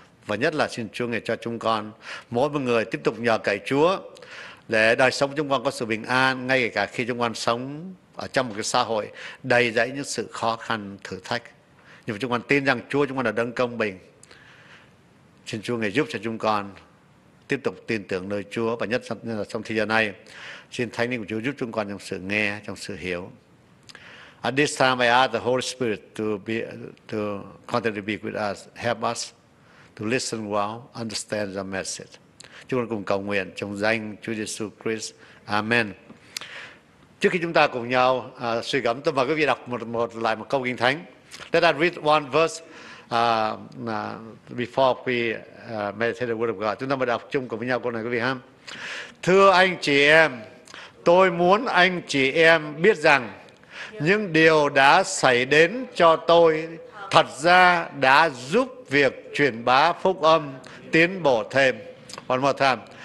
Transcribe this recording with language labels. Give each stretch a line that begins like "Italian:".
Vietnamese: Và nhất là xin Chúa ngài cho chúng con, mỗi một người tiếp tục nhờ cậy Chúa để đời sống chúng con có sự bình an, ngay cả khi chúng con sống ở trong một cái xã hội đầy dẫy những sự khó khăn, thử thách. Nhưng mà chúng con tin rằng Chúa chúng con là đấng công bình. Xin Chúa ngài giúp cho chúng con tiếp tục tin tưởng nơi Chúa và nhất là trong thời gian này. Xin Thánh Linh của Chúa giúp chúng con trong sự nghe, trong sự hiểu.
English: At this time, I ask the Holy Spirit to continue to be with us, help us to listen well, understand the message.
Vietnamese: Chúng con cùng cầu nguyện trong danh Chúa Giêsu Christ. Amen. Trước khi chúng ta cùng nhau suy gẫm, tôi mời quý vị đọc một câu kinh thánh.
English: Let us read one verse before we meditate the word of God.
Vietnamese: Chúng ta mời đọc chung cùng với nhau câu này, quý vị ha. Thưa anh chị em, tôi muốn anh chị em biết rằng những điều đã xảy đến cho tôi thật ra đã giúp việc truyền bá phúc âm tiến bộ thêm.
English: One more time.